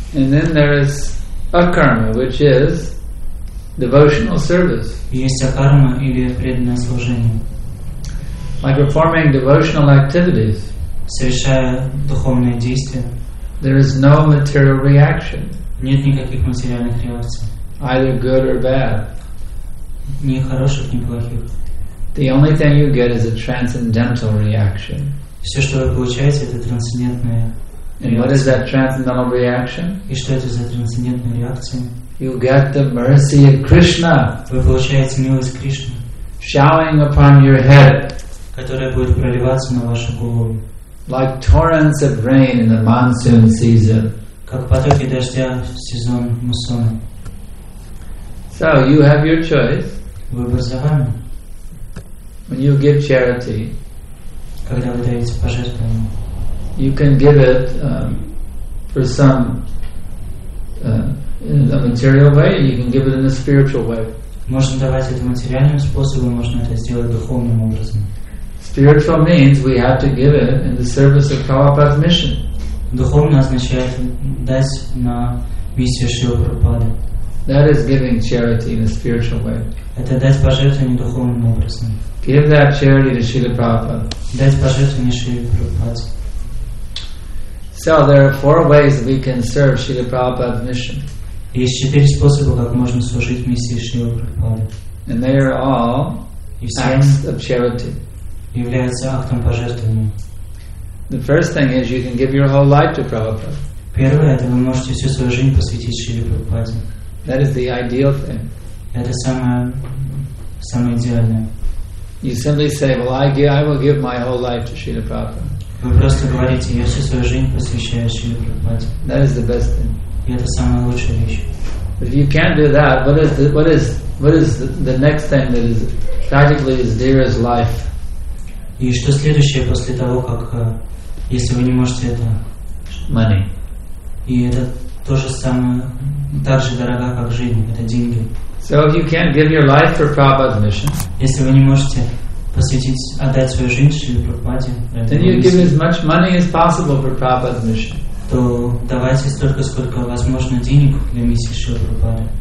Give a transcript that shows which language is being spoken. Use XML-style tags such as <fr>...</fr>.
<en>And then there is akarma, which is devotional service.</en> <ru>Есть акарма или преданное служение.</ru> <en>Like performing devotional activities.</en> <ru>Совершая духовные действия.</ru> <en>There is no material reaction.</en> <ru>Нет никаких материальных реакций.</ru> <en>Either good or bad.</en> <ru>Ни хороших, ни плохих.</ru> <en>The only thing you get is a transcendental reaction.</en> <ru>Все, что вы получаете, это трансцендентная реакция.</ru> <en>And what is that transcendental reaction?</en> <ru>И что это за трансцендентная реакция?</ru> <en>You get the mercy of Krishna.</en> <ru>Вы получаете милость Кришны.</ru> <en>Showering upon your head.</en> <ru>Которая будет проливаться на вашу голову.</ru> <en>Like torrents of rain in the monsoon season.</en> <ru>Как потоки дождя в сезон муссона.</ru> <en>So you have your choice.</en> <ru>Выбор за вами.</ru> <en>When you give charity,</en> <ru>когда вы даете пожертвование,</ru> <en>you can give it for some in a material way, and you can give it in a spiritual way.</en> <ru>Можно давать это материальным способом, можно это сделать духовным образом.</ru> <en>Spiritual means we have to give it in the service of Prabhupada's mission.</en> <ru>Духовное означает дать на миссию Шрилы Прабхупады.</ru> <en>That is giving charity in a spiritual way.</en> <ru>Это дать пожертвование духовным образом.</ru> <en>Give that charity to Шрилы Прабхупада.</en> <ru>Дать пожертвование Шрилы Прабхупаде.</ru> <en>So there are four ways we can serve Шрилы Прабхупада's mission.</en> <ru>Есть четыре способа, как можно служить миссии Шрилы Прабхупады.</ru> <en>And they are all acts of charity.</en> <ru>Является актом пожертвования.</ru> <en>The first thing is you can give your whole life to Prabhupada.</en> <ru>Первое, это вы можете всю свою жизнь посвятить Шриле Прабхупаде.</ru> <en>That is the ideal thing.</en> <ru>Это самое идеальное.</ru> <en>You simply say, well, I will give my whole life to Шриле Прабхупаде.</en> <ru>Вы просто говорите, я всю свою жизнь посвящаю Шриле Прабхупаде.</ru> <en>That is the best thing.</en> <ru>И это самая лучшая вещь.</ru> <en>But if you can't do that, what is the next thing that is practically as dear as life?</en> <ru>И что следующее после того, как если вы не можете это...</ru> <en>Money.</en> <ru>И это то же самое, так же дорого, как жизнь, это деньги.</ru> <en>So if you can't give your life for Prabhupada's mission,</en> <ru>если вы не можете посвятить, отдать свою жизнь Шриле Прабхупаде,</ru> <en>then you give as much money as possible for Prabhupada's mission.</en> <ru>То давайте столько, сколько возможно денег для миссии Шриле Прабхупаде.</ru>